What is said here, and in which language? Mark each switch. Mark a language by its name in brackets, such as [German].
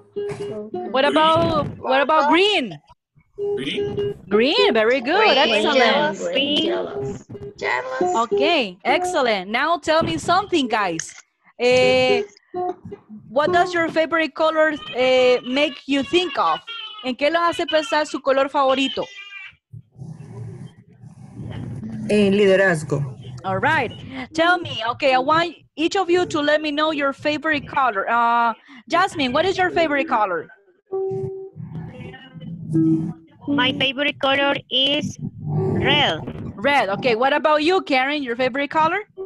[English] What about green? Green. Green, very good, green. Excellent. Jealous. Okay, excellent. Now tell me something, guys. What does your favorite color make you think of? [Spanish] ¿En qué los hace pensar su color favorito? En liderazgo. [English] All right. Tell me, okay, I want each of you to let me know your favorite color. Jasmine, what is your favorite color? My favorite color is red. Red, okay. What about you, Karen? Your favorite color?